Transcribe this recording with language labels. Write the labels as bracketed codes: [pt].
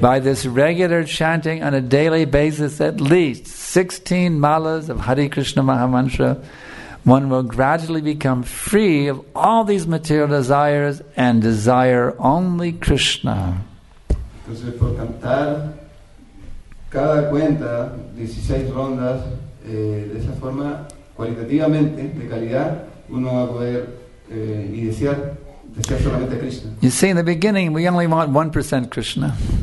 [en] By this regular chanting on a daily basis, at least 16 malas of Hare Krishna Maha Mantra, one will gradually become free of all these material desires and desire only Krishna. [es] Entonces, por cantar cada cuenta 16 rondas de esa forma, cualitativamente, de calidad, uno va a poder y desear solamente Krishna. [en] You see, in the beginning, we only want 1% Krishna.